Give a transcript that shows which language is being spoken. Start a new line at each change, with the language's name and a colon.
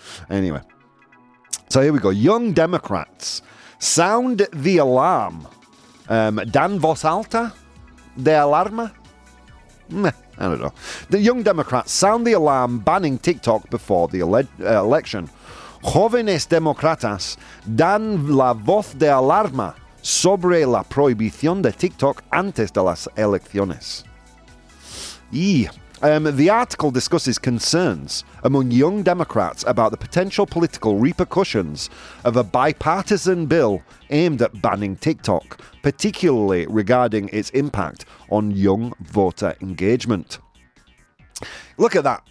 English: Anyway, so here we go. Young Democrats sound the alarm.
Spanish: Dan Vos Alta, de alarma?
English: I don't know. The Young Democrats sound the alarm, banning TikTok before the election.
Spanish: Jóvenes Democratas dan la voz de alarma sobre la prohibición de TikTok antes de las elecciones.
English: The article discusses concerns among young Democrats about the potential political repercussions of a bipartisan bill aimed at banning TikTok, particularly regarding its impact on young voter engagement. Look at that.